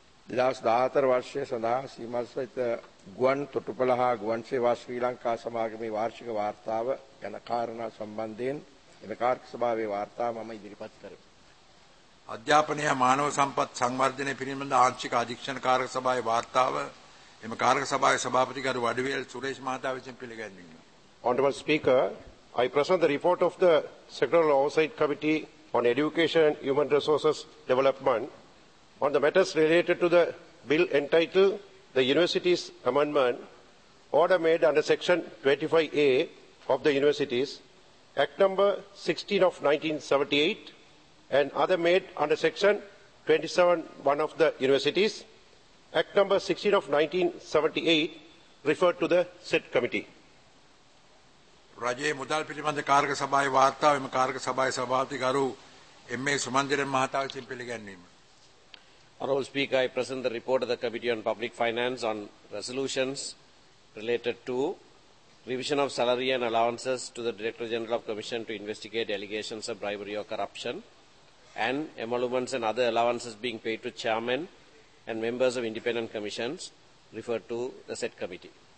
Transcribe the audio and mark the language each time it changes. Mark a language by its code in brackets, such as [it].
[si] 2014 වර්ෂය සඳහා සීමා සහිත ගුවන් තොටුපළ හා ගුවන් සේවා ශ්‍රී ලංකා සමාගමේ වාර්ෂික වාර්තාව යන කාරණා සම්බන්ධයෙන් එම කාර්ක සභාවේ වාර්තාව මම ඉදිරිපත් කරමි. අධ්‍යාපනය මානව සම්පත් සංවර්ධනය පිළිබඳ ආංශික අධීක්ෂණ කාර්ක සභාවේ වාර්තාව එම කාර්ක සභාවේ සභාපති ගරු වඩිවේල් සුරේෂ් මහතා විසින් පිළිගැන්වීම. [en] Honorable Speaker, I present the report of the Sectoral Oversight Committee on Education and Human Resources Development on the matters related to the bill entitled the Universities Amendment Order made under Section 25A of the Universities Act Number 16 of 1978 and other made under Section 27(1) of the Universities Act Number 16 of 1978 referred to the said committee. [si] රජයේ මුදල් පිළිබඳ කාර්ක සභාවේ වාර්තාව එම කාර්ක සභාවේ සභාපති ගරු M.A.. Sumanthiran මහතා විසින් පිළිගැන්වීම. [en] Honorable Speaker, I present the report of the Committee on Public Finance on resolutions related to revision of salary and allowances to the Director General of Commission to investigate allegations of bribery or corruption and emoluments and other allowances being paid to chairmen and members of independent commissions referred to the said committee.